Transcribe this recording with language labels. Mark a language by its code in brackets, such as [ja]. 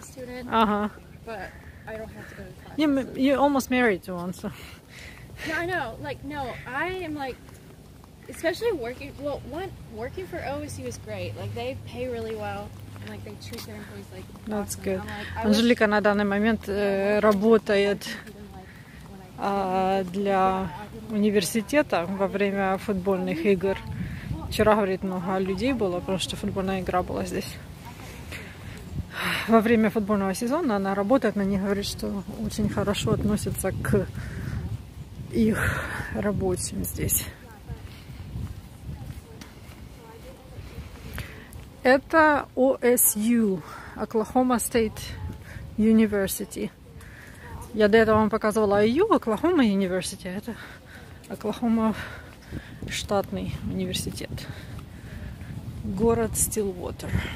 [en] Even though I don't go to college here, I like almost feel like I'm a student. But I don't have to go to college. Yeah, you're almost married to one, so. No, I know. Like, no, I am like. Especially working, well, one, working for OSU is great. Like, they pay really well. And, like, they treat their employees like awesome. That's good. [ru] Like, Анжелика на данный момент работает для университета во время футбольных игр. Вчера, говорит, много людей было, потому что футбольная игра была здесь. Во время футбольного сезона она работает, на них говорит, что очень хорошо относится к их рабочим здесь. Это OSU, Oklahoma State University. Я до этого вам показывала IU, Oklahoma University. Это Oklahoma штатный университет. Город Stillwater.